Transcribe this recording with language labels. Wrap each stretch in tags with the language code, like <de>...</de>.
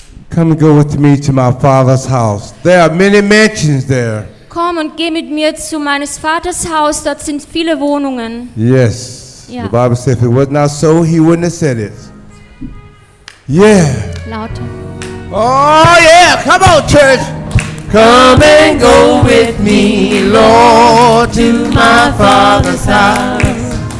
<en>Come and go with me to my father's house. There are many mansions there.</en> <de>Komm und geh mit mir zu meines Vaters Haus. Dort sind viele Wohnungen.</de> <en>Yes. Yeah. The Bible says if it was not so, he wouldn't have said it. Yeah.</en> <de>Lauter.</de> <en>Oh yeah, come on church. Come and go with me, Lord, to my father's house.</en>